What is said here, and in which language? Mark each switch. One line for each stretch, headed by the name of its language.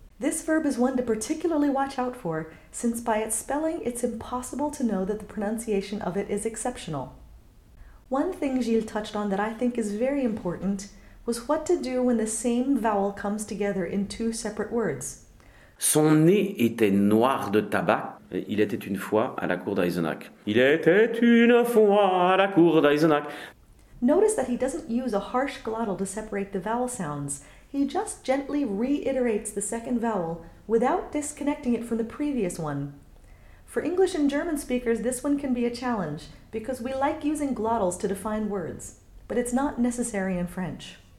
English: This verb is one to particularly watch out for, since by its spelling, it's impossible to know that the pronunciation of it is exceptional. One thing Gilles touched on that I think is very important was what to do when the same vowel comes together in two separate words.
French: Son nez était noir de tabac. Il était une fois à la cour d'Eisenach. Il était une fois à la cour d'Eisenach.
English: Notice that he doesn't use a harsh glottal to separate the vowel sounds. He just gently reiterates the second vowel without disconnecting it from the previous one. For English and German speakers, this one can be a challenge because we like using glottals to define words, but it's not necessary in French.